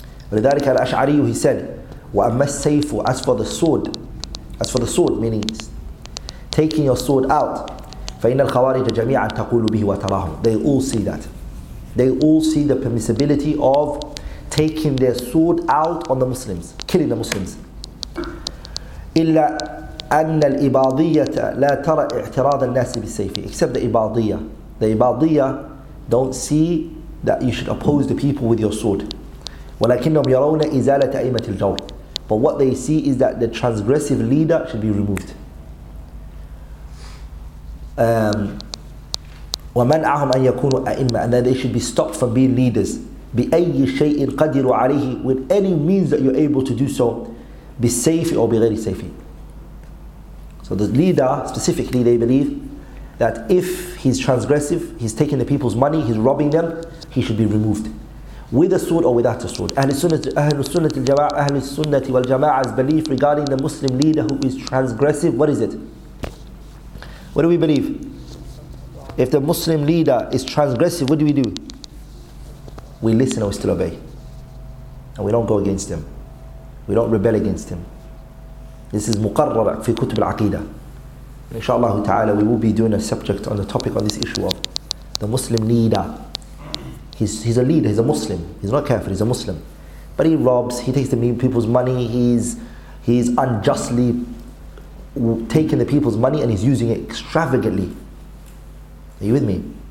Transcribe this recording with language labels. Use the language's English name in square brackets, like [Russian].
[Arabic] لذلك الأشعري, [English] he said, [Arabic] وَأَمَّا السَّيْفُ, [English] as for the sword, meaning taking your sword out, [Arabic] فَإِنَّ الْخَوَارِجَ جَمِيعًا تَقُولُ بِهِ وَتَرَاهُ. [English] They all see that. They all see the permissibility of taking their sword out on the Muslims, killing the Muslims. إِلَّا [Arabic] أن الإباضية لا ترى اعتراض الناس بالسيف [English] except the [Arabic] إباضية. [English] The إباضية don't see that you should oppose the people with your sword. [Arabic] ولكنهم يرون إزالة أئمة الجور. [English] But what they see is that the transgressive leader should be removed. [Arabic] ومنعهم أن يكونوا أئمة [English] and that they should be stopped from being leaders. [Arabic] بأي شيء قدروا عليه [English] with any means that you're able to do so [Arabic] بالسيف أو بغير السيف. [English] So the leader, specifically, they believe that if he's transgressive, he's taking the people's money, he's robbing them, he should be removed. With a sword or without a sword. Ahl-Sunnah wal-Jama'ah's belief regarding the Muslim leader who is transgressive, what is it? What do we believe? If the Muslim leader is transgressive, what do? We listen and we still obey. And we don't go against him. We don't rebel against him. This is [Arabic] مقرر في كتب العقيدة. [English] Inshallah ta'ala, we will be doing a subject on the topic on this issue of the Muslim leader. He's a leader, he's a Muslim. He's not kafir, he's a Muslim. But he robs, he takes the people's money, he's unjustly taking the people's money and he's using it extravagantly. Are you with me?